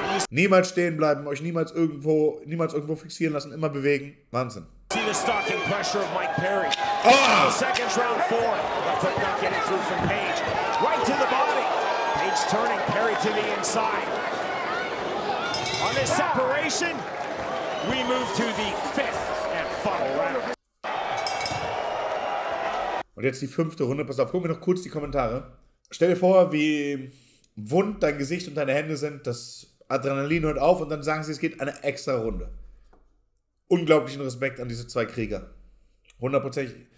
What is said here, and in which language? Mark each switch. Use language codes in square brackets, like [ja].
[de] Niemals stehen bleiben, euch niemals irgendwo fixieren lassen, immer bewegen. Wahnsinn. [en] See the stalking pressure of Mike Perry. Oh! Seconds round four. Left foot not getting through from Page. Right to the body. Page turning, Perry to the inside. On this separation, we move to the fifth and final round. [de] Und jetzt die fünfte Runde. Pass auf, gucken wir noch kurz die Kommentare. Stell dir vor, wie wund dein Gesicht und deine Hände sind, das Adrenalin hört auf und dann sagen sie, es geht eine extra Runde. Unglaublichen Respekt an diese zwei Krieger. Hundertprozentig.